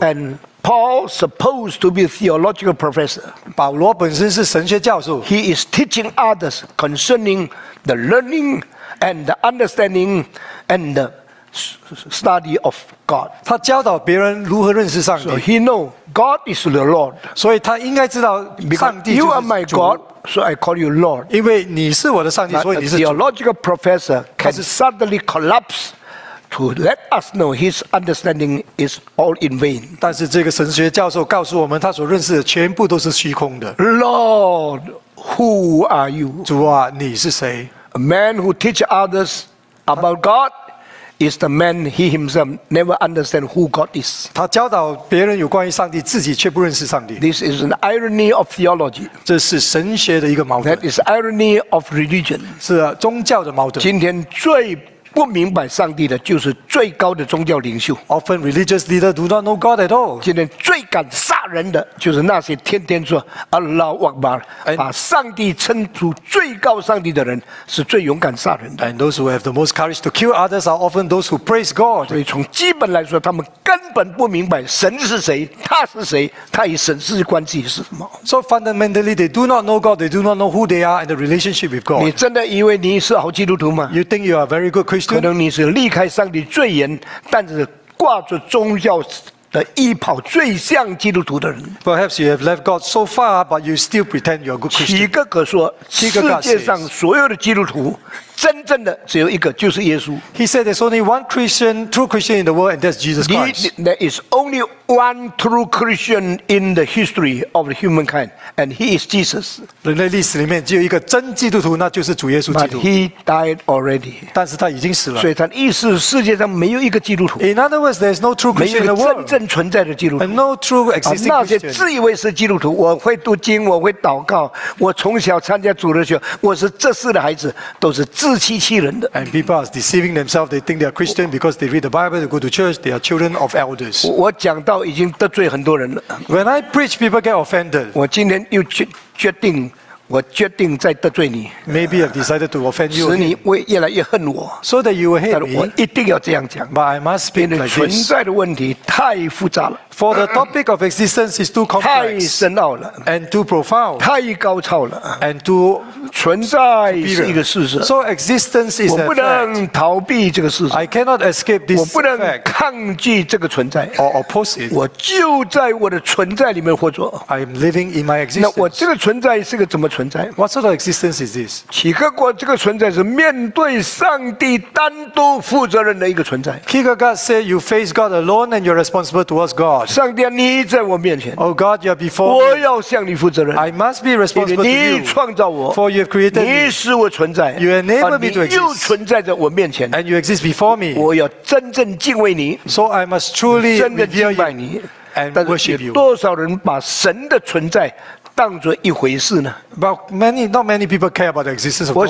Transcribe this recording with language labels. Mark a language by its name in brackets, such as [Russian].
[English] And Paul supposed to be a theological professor. [Chinese] 保罗本身是神学教授。 [English] He is teaching others concerning the learning. And the understanding and the study of God. [Chinese] 他教导别人如何认识上帝。 [English] So he know God is the Lord. [Chinese] 所以他应该知道上帝就是主。 [English] You are my God, so I call you Lord. [Chinese] 因为你是我的上帝，所以你是主。 [English] A theological professor can suddenly collapse to let us know his understanding is all in vain. [Chinese] 但是这个神学教授告诉我们，他所认识的全部都是虚空的。 [English] Lord, who are you? [Chinese] 主啊，你是谁？ [English] A man who teaches others about God is the man he himself never understands who God is. [Chinese] 他教导别人有关于上帝，自己却不认识上帝。 [English] This is an irony of theology. [Chinese] 这是神学的一个矛盾。 [English] That is irony of religion. [Chinese] 是宗教的矛盾。今天最不明白上帝的就是最高的宗教领袖。 [English] Often religious leaders do not know God at all. [Chinese] 今天最敢杀人的就是那些天天说 [Arabic] Allah Akbar， [Chinese] 把上帝称出最高上帝的人是最勇敢杀人的。 [English] And those who have the most courage to kill others are often those who praise God. [Chinese] 所以从基本来说，他们根本不明白神是谁，他是谁，他与神之间关系是什么。 [English] So fundamentally, they do not know God. They do not know who they are and the relationship with God. [Chinese] 你真的以为你是好基督徒吗 [English] ？You think you are very good? [Chinese] 可能你是离开上帝最远，但是挂着宗教的衣袍最像基督徒的人。 [English] Perhaps you have left God so far, but you still pretend you are a good Christian. [Chinese] 齐格格说，世界上所有的基督徒，真正的只有一个，就是耶稣。 [English] He said there's only one Christian, true Christian in the world, and that's Jesus Christ. There is only one true Christian in the history of humankind, and he is Jesus. [Chinese] 人类历史里面只有一个真基督徒，那就是主耶稣基督。 [English] But he died already. [Chinese] 但是他已经死了。所以他意思，世界上没有一个基督徒。 [English] In other words, there's no true Christian in the world. [Chinese] 没有真正存在的基督徒。 [English] And no true existing Christian. [Chinese] 那些自以为是基督徒，我会读经，我会祷告，我从小参加主日学，我是这世的孩子，都是。自欺欺人的。 [English] And people are deceiving themselves. They think they are Christian because they read the Bible, they go to church, they are children of elders. [Chinese] 我讲到已经得罪很多人了。 [English] When I preach, people get offended. [Chinese] 我今天又决定，我决定再得罪你。 [English] Maybe I've decided to offend you. [Chinese] 使你会越来越恨我。 [English] So that you will hate me. [Chinese] 我一定要这样讲。 [English] But I must speak like this. [Chinese] 存在的问题太复杂了。 [English] For the topic of existence is too complex, [Chinese] 太深奥了 [English] and too profound, [Chinese] 太高超了 [English] and too [Chinese] 存在是一个事实 [English] So existence is a fact. [Chinese] 我不能逃避这个事实 [English] I cannot escape this fact. [Chinese] 我不能抗拒这个存在 [English] or oppose it. [Chinese] 我就在我的存在里面活着 [English] I am living in my existence. [Chinese] 那我这个存在是个怎么存在 [English] What sort of existence is this? [Chinese] 齐格格这个存在是面对上帝单独负责任的一个存在 [English] Kierkegaard said you face God alone and you're responsible towards God. [Chinese] 上帝，你在我面前。 [English] Oh God, you are before me. [Chinese] 我要向你负责任。 [English] I must be responsible to you. [Chinese] 你创造我。 [English] For you have created me. [Chinese] 你使我存在。 [English] You enable me to exist. [Chinese] 你又存在在我面前。 [English] And you exist before me. [Chinese] 我要真正敬畏你。 [English] So I must truly revere you. [Chinese] 真的敬拜你。 [English] And worship you. [Chinese] 多少人把神的存在当作一回事呢 [English] ？But many, not many people care about the existence of God.